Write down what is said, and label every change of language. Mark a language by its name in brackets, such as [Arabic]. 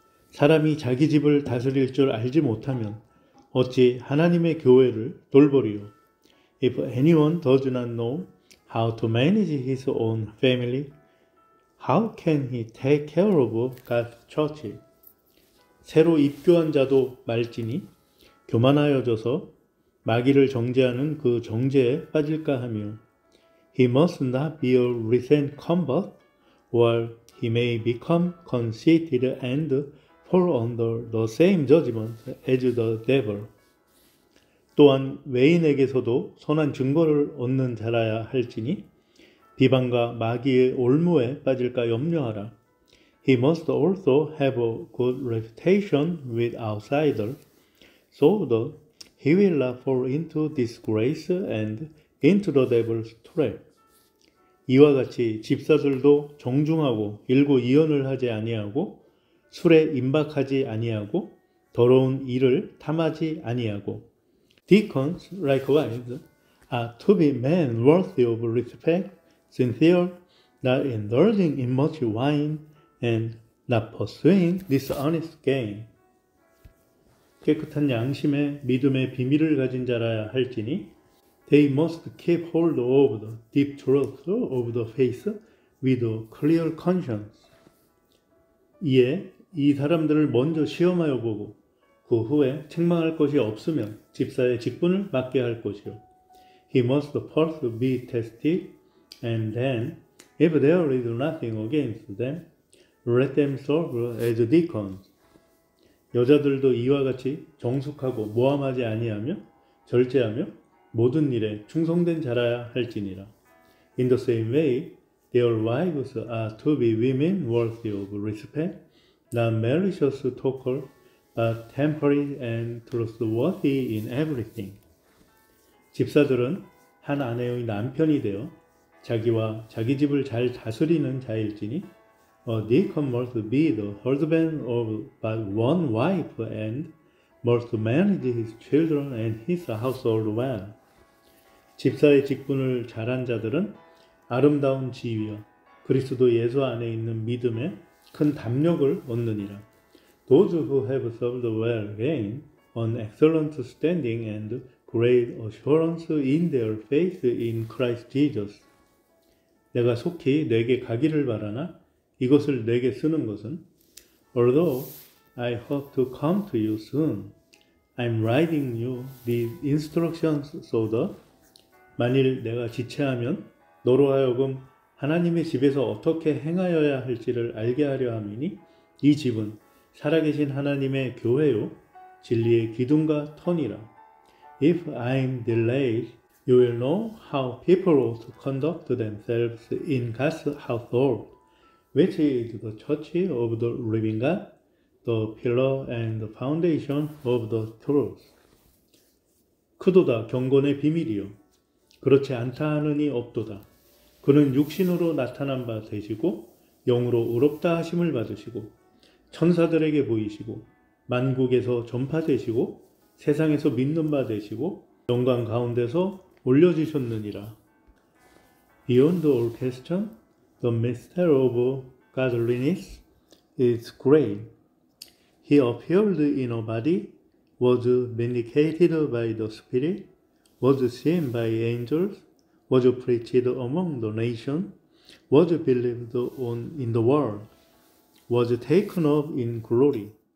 [Korean] 사람이 자기 집을 다스릴 줄 알지 못하면 어찌 하나님의 교회를 돌보리요? [English] If anyone does not know how to manage his own family, how can he take care of God's church? [Korean] 새로 입교한 자도 말지니 교만하여져서 마귀를 정죄하는 그 정죄에 빠질까 하며 [English] He must not be a recent convert, or he may become conceited and fall under the same judgment as the devil. [Korean] 또한 외인에게서도 선한 증거를 얻는 자라야 할지니 비방과 마귀의 올무에 빠질까 염려하라. [English] He must also have a good reputation with outsiders, so that he will not fall into disgrace and into the devil's trap. [Korean] 이와 같이 집사들도 정중하고 일구이언을 하지 아니하고 술에 임박하지 아니하고 더러운 일을 탐하지 아니하고 [English] Deacons, likewise, are to be men worthy of respect, sincere, not indulging in much wine, and not pursuing dishonest gain. [Korean] 깨끗한 양심의 믿음의 비밀을 가진 자라야 할지니, [English] They must keep hold of the deep truth of the faith with a clear conscience. [Korean] 이에 이 사람들을 먼저 시험하여 보고, 그 후에 책망할 것이 없으면 집사의 직분을 맡게 할 것이요. [English] He must first be tested, and then, if there is nothing against them, let them serve as deacons. [Korean] 여자들도 이와 같이 정숙하고 모함하지 아니하며 절제하며 모든 일에 충성된 자라야 할지니라. [English] In the same way, their wives are to be women worthy of respect, not malicious talkers, but temperate and trustworthy in everything. [Korean] 집사들은 한 아내의 남편이 되어 자기와 자기 집을 잘 다스리는 자일지니 [English] A deacon must be the husband of but one wife and must manage his children and his household well. [Korean] 집사의 직분을 잘한 자들은 아름다운 지위와 그리스도 예수 안에 있는 믿음에 큰 담력을 얻느니라. [English] Those who have served well gain an excellent standing and great assurance in their faith in Christ Jesus. [Korean] 내가 속히 내게 가기를 바라나 이것을 내게 쓰는 것은 [English] Although I hope to come to you soon, I'm writing you these instructions so that [Korean] 만일 내가 지체하면 너로 하여금 하나님의 집에서 어떻게 행하여야 할지를 알게 하려 함이니 이 집은 살아계신 하나님의 교회요, 진리의 기둥과 터니라. [English] If I'm delayed, you will know how people ought to conduct themselves in God's household, which is the church of the living God, the pillar and the foundation of the truth. [Korean] 크도다 경건의 비밀이요. 그렇지 않다 하느니 없도다. 그는 육신으로 나타난 바 되시고, 영으로 의롭다 하심을 받으시고, 천사들에게 보이시고 만국에서 전파되시고 세상에서 믿는 바 되시고 영광 가운데서 올려주셨느니라. [English] Beyond all question, the mystery of godliness is great. He appeared in a body, was vindicated by the Spirit, was seen by angels, was preached among the nation, was believed on in the world, was taken up in glory.